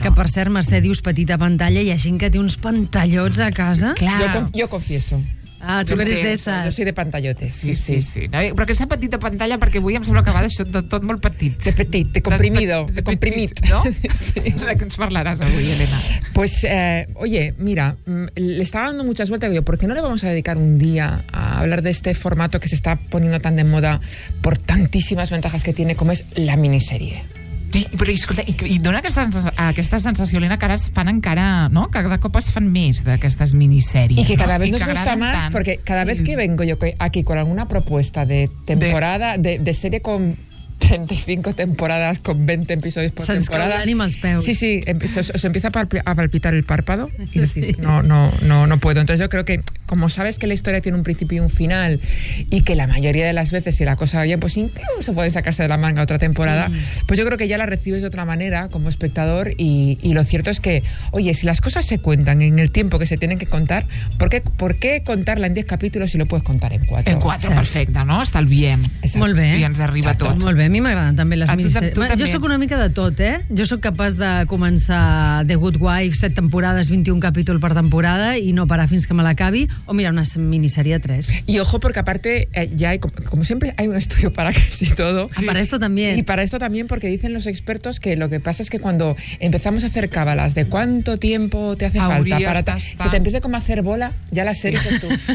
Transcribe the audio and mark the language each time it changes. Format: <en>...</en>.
<ca>Que, per cert, Mercè, dius petita pantalla i hi ha gent que té uns pantallots a casa. Clar.</ca> <es>Yo confieso.</es> <ca>Ah, tu eres d'esses. Jo</ca> <es>soy de pantallote. Sí.</es> <ca>No, però aquesta petita pantalla, perquè avui em sembla que va d'això tot molt petit. De petit, de</ca> <es>comprimido,</es> <ca>de comprimit. Petit, no? Sí. De què ens parlaràs avui, Helena?</ca> <es>Pues, oye, mira, le estaba dando muchas vueltas yo, ¿por qué no le vamos a dedicar un día a hablar de este formato que se está poniendo tan de moda por tantísimas ventajas que tiene, como es la miniserie?</es> <ca>Sí, però escolta, i dona aquesta sensació, Helena, que ara es fan encara, no? Que cada cop es fan més d'aquestes minissèries. I que cada vegada</ca> <es>nos gusta más, porque cada vez que vengo yo aquí con alguna propuesta de temporada, de serie con 35 temporadas, con 20 episodios por temporada...</es> <ca>Se'ns calen els peus.</ca> <es>Sí, sí, os empieza a palpitar el párpado y decís, no puedo. Entonces yo creo que, como sabes que la historia tiene un principio y un final, y que la mayoría de las veces, si la cosa va bien, pues incluso puede sacarse de la manga otra temporada, pues yo creo que ya la recibes de otra manera como espectador, y lo cierto es que, oye, si las cosas se cuentan en el tiempo que se tienen que contar, ¿por qué contarla en 10 capítulos si lo puedes contar en 4?</es> <ca>En 4, perfecte, no? Estalviem. Molt bé. I ens arriba tot. Molt bé, a mi m'agraden també les miniseries. Jo sóc una mica de tot, eh? Jo sóc capaç de començar The Good Wife, 7 temporades, 21 capítol per temporada, i no parar fins que me l'acabi. O mira, una miniserie 3.</ca> <es>Y ojo, porque aparte, ya hay, como siempre, hay un estudio para casi todo. Sí. Para esto también. Y para esto también, porque dicen los expertos que lo que pasa es que cuando empezamos a hacer cábalas de cuánto tiempo te hace falta para... Se te empieza como a hacer bola, ya la serie es tú.</es>